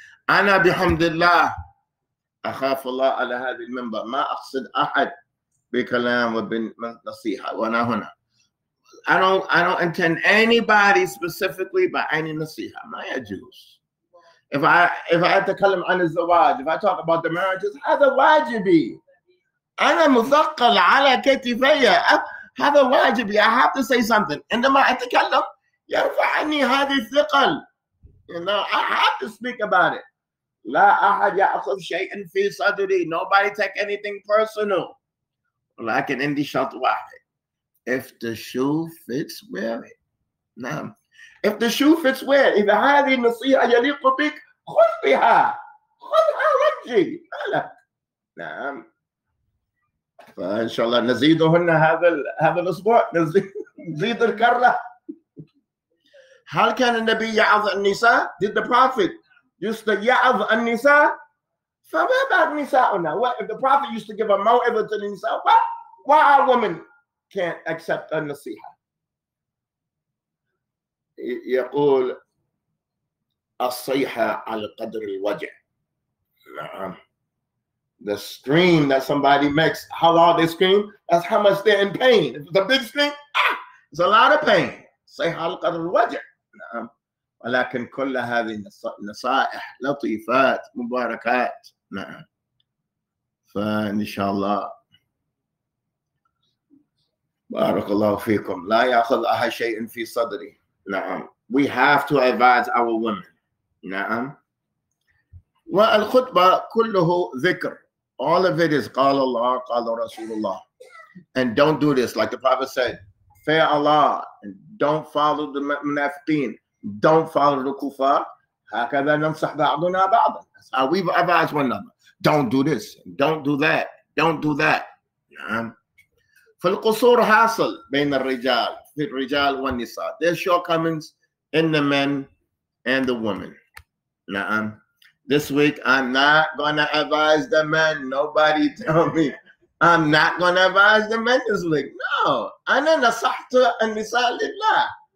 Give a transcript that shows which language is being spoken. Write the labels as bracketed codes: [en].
[ar] أنا بحمد الله أخاف الله على هذه المنبر، ما أقصد أحد بكلام وبنصيحة وأنا هنا. [en] I don't intend anybody specifically by any نصيحة. [ar] ما يجوز. [en] If I had to call him on his zawaj, if I talk about the marriages, [ar] هذا واجبي. أنا مثقل على كتفي. هذا واجبي. [en] I have to say something. [ar] عندما أتكلم يرفعني هذا الثقل. [en] You know, I have to speak about it. [ar] لا أحد يأخذ شيئا في صدري. [en] Nobody take anything personal. [ar] ولكن عندي شرط واحد. [en] If the shoe fits, wear it. نعم. If the shoe fits well, [ar] إذا هذه النصيحة يليق بك خذ بها، خذها ورجي. نعم. فإن شاء الله نزيدهن هذا الأسبوع، نزيد الكرة. هل كان النبي يعظ النساء؟ [en] Did the prophet used to يعظ النساء؟ So what about نساؤنا؟ What if the prophet used to give a موعظة to the نساء؟ Why our women can't accept a نصيحة؟ [ar] يقول الصيحة على قدر الوجع. نعم. [en] The scream that somebody makes, how loud they scream, that's how much they're in pain. If it's a big scream, it's a lot of pain. [ar] صيحة على قدر الوجع. نعم. ولكن كل هذه نصائح لطيفات مباركات. نعم. فإن شاء الله بارك الله فيكم. لا يأخذ أحد شيء في صدري. نعم. [en] We have to advise our women. [ar] نعم. والخطبة كله ذكر. [en] All of it is [ar] قال الله قال رسول الله. [en] And don't do this like the Prophet said. Fear Allah and don't follow the munafiqeen. Don't follow the kuffar. [ar] هكذا ننصح بعضنا بعضا. [en] That's how we advise one another. Don't do this. Don't do that. Don't do that. [ar] في القصور حاصل بين الرجال في الرجال والنساء. [en] There's shortcomings in the men and the women. [ar] نعم. [en] This week I'm not gonna advise the men. Nobody tell me. I'm not gonna advise the men this week. No. [ar] أنا نصحت النساء لله.